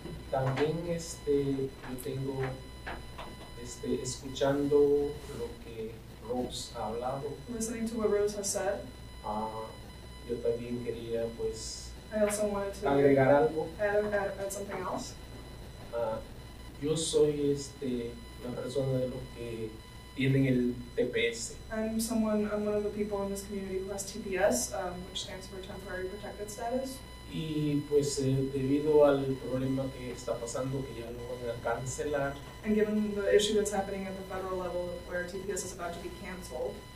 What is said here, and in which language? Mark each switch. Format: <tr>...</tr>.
<es>También yo tengo escuchando lo que Rose ha hablado.</es> <en>Listening to what Rose has said.</en> <es>Yo también quería pues</es> <en>I also wanted to</en> <es>agregar algo.</es> <en>Add something else.</en> <es>Yo soy una persona de los que tienen el TPS.</es> <en>I'm one of the people in this community who has TPS, which stands for temporary protected status.</en> <es>Y pues debido al problema que está pasando, que ya lo van a cancelar.</es> <en>And given the issue that's happening at the federal level, where TPS is about to be canceled.</en>